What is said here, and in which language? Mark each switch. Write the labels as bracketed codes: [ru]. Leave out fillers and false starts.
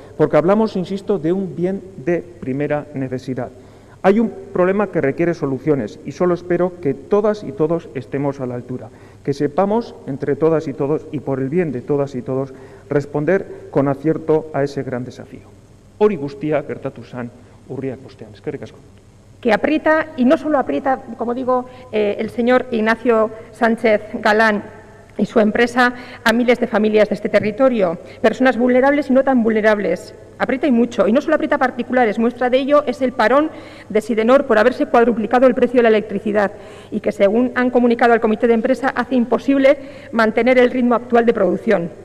[es] Porque hablamos, insisto, de un bien de primera necesidad. Hay un problema que requiere soluciones y solo espero que todas y todos estemos a la altura, que sepamos entre todas y todos y por el bien de todas y todos responder con acierto a ese gran desafío. [eu] Hori guztia gertatu zan urriak bostean. Eskerrik asko. [es] Que aprieta, y no solo aprieta, como digo, el señor Ignacio Sánchez Galán y su empresa a miles de familias de este territorio, personas vulnerables y no tan vulnerables. Aprieta y mucho, y no solo aprieta particulares, muestra de ello es el parón de Sidenor por haberse cuadruplicado el precio de la electricidad y que, según han comunicado al comité de empresa, hace imposible mantener el ritmo actual de producción.